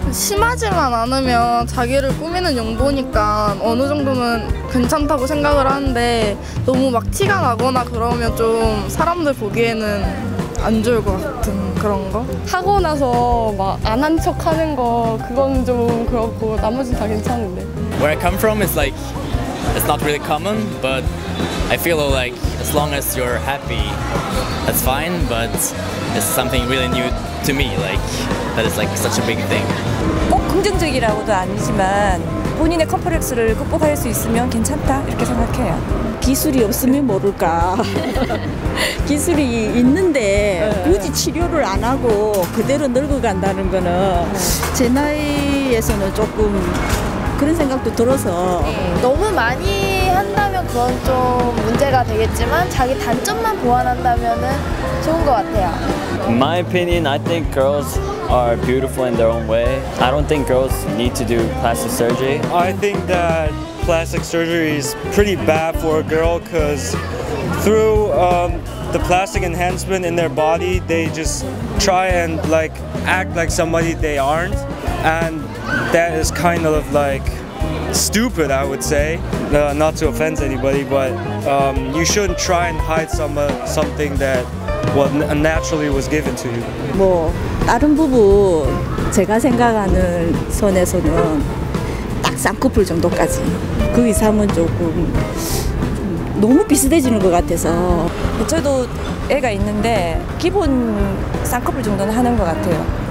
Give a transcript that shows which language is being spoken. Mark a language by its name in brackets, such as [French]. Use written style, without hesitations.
[Korean] 심하지만 않으면 자기를 꾸미는 용도니까 어느 정도는 괜찮다고 생각을 하는데 너무 막 티가 나거나 그러면 좀 사람들 보기에는 안 좋을 것 같은 그런 거? 하고 나서 막 안 한 척 하는 거 그건 좀 그렇고 나머지는 다 괜찮은데. [English] Where I come from is like it's not really common, but I feel like as long as you're happy, that's fine. But it's something really new to me, like that is like such a big thing. [Korean] 꼭 긍정적이라고도 아니지만 본인의 컴플렉스를 극복할 수 있으면 괜찮다 이렇게 생각해요. 기술이 없으면 모를까. 기술이 있는데 굳이 치료를 안 하고 그대로 늙어간다는 거는 제 나이에서는 조금 그런 생각도 들어서. 너무 많이 한다면 그건 좀 문제가 되겠지만 자기 단점만 보완한다면은 좋은 것 같아요. [English] My opinion, I think girls are beautiful in their own way. I don't think girls need to do plastic surgery. I think that plastic surgery is pretty bad for a girl because through the plastic enhancement in their body, they just try and like act like somebody they aren't, and that is kind of like stupid, I would say. Not to offend anybody, but you shouldn't try and hide something that naturally was given to you. [Korean] 뭐 다른 부분 제가 생각하는 선에서는 딱 쌍꺼풀 정도까지. 그 이상은 조금 너무 비슷해지는 것 같아서. 저도 애가 있는데 기본 쌍꺼풀 정도는 하는 것 같아요.